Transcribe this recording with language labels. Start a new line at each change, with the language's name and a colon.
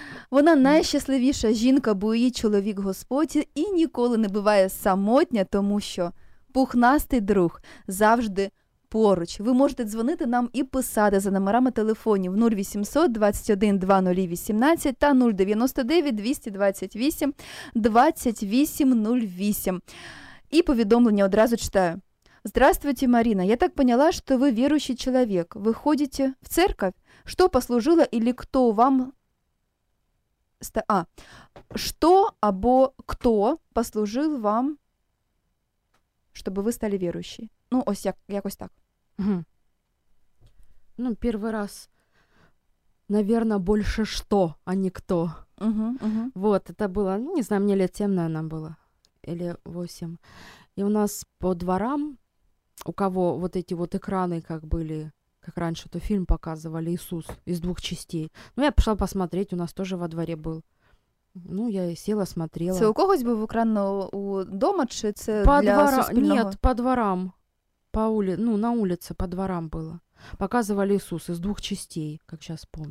Ukrainian: Вона найщасливіша жінка, бо її чоловік Господь, і ніколи не буває самотня, тому що пухнастий друг завжди поруч. Ви можете дзвонити нам і писати за номерами телефонів 0800 21 2018 та 099 228 2808. І повідомлення одразу читаю.
Russian: Здравствуйте, Марина. Я так поняла, что вы верующий человек. Вы ходите в церковь? Что послужило или кто вам... Что або кто послужил вам, чтобы вы стали верующей?
Ukrainian: Ну, ось якось так. Угу.
Russian: Ну, первый раз, наверное, больше что, а не кто. Угу, угу. Вот, это было, не знаю, мне лет 7, наверное, было. Или 8. И у нас по дворам... У кого вот эти вот экраны, как были, как раньше, то фильм показывали «Иисус» из двух частей. Ну, я пошла посмотреть, у нас тоже во дворе был. Ну, я и села, смотрела.
Ukrainian: Це у когось був экран у дома, чи це по для двора... суспільного?
Russian: Нет, по дворам. По улице, ну, на улице, по дворам было. Показывали «Иисус» из двух частей, как сейчас помню.